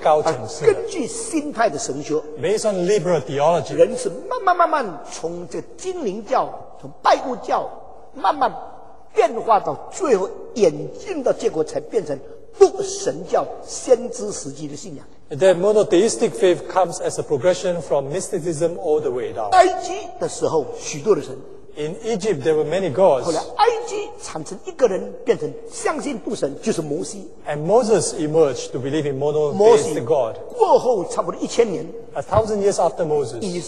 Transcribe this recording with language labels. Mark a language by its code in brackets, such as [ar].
[zh] 独神信仰是所有的信仰系统最高层次的，根据新派的神学， [en] based on liberal theology. [zh] 人是慢慢从这精灵教， 从拜物教， 慢慢变化到最后演进的结果才变成 不神教先知时期的信仰。 [en] The monotheistic faith comes as a progression from mysticism all the way down. [zh] 埃及的时候许多的神， [en] in Egypt there were many gods. [zh] 后来埃及产生一个人， 变成相信不神， 就是摩西。 [en] And Moses emerged to believe in monotheistic God. [zh] 过后差不多1000年， [en] a thousand years after Moses,